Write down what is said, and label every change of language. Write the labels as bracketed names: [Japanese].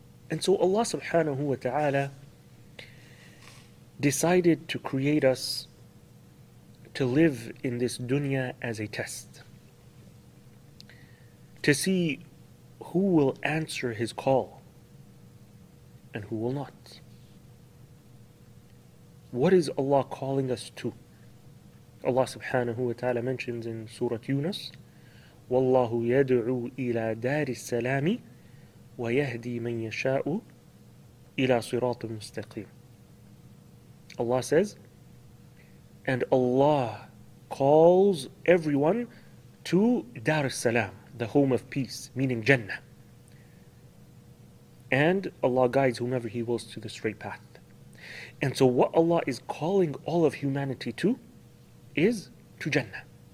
[English] And so Allah subhanahu wa ta'ala decided to create us to live in this dunya as a test, to see who will answer his call and who will not. What is Allah calling us to? Allah subhanahu wa ta'ala mentions in Surah Yunus, [Arabic] وَاللَّهُ يَدْعُو إِلَىٰ دَارِ السَّلَامِ وَيَهْدِي مَنْ يَشَاءُ إِلَىٰ صِرَاطٍ مُسْتَقِيمٍ. [English] Allah says, and Allah calls everyone to Dar al-Salam, the home of peace, meaning Jannah. And Allah guides whomever He wills to the straight path. And so what Allah is calling all of humanity to is to Jannah.